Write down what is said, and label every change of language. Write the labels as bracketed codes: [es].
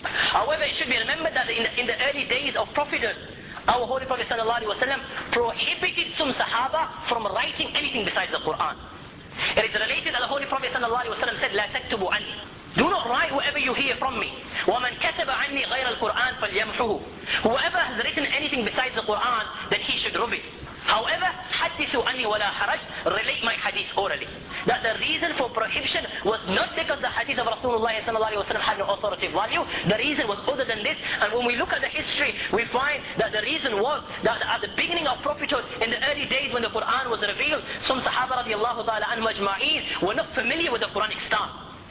[en] However, it should be remembered that in the early days of Prophethood, our Holy Prophet ﷺ prohibited some Sahaba from writing anything besides the Quran. It is related that the Holy Prophet ﷺ said, [ar] لا تكتبوا عني. [en] Do not write whatever you hear from me. [ar] وَمَنْ كَتَبَ عَنِّي غَيْرَ الْقُرْآنِ فَلْيَمْحُهُ. [en] Whoever has written anything besides the Quran, then he should rub it. However, [ar] حَدِّثُوا عَنِّي وَلَا حَرَجْ. [en] Relate my hadith orally. That the reason for prohibition was not because the hadith of Rasulullah sallallahu alayhi wa had no authoritative value. The reason was other than this. And when we look at the history, we find that the reason was that at the beginning of prophethood, in the early days when the Quran was revealed, some Sahaba radiallahu ta'ala anhu ajma'een were not familiar with the Quranic style.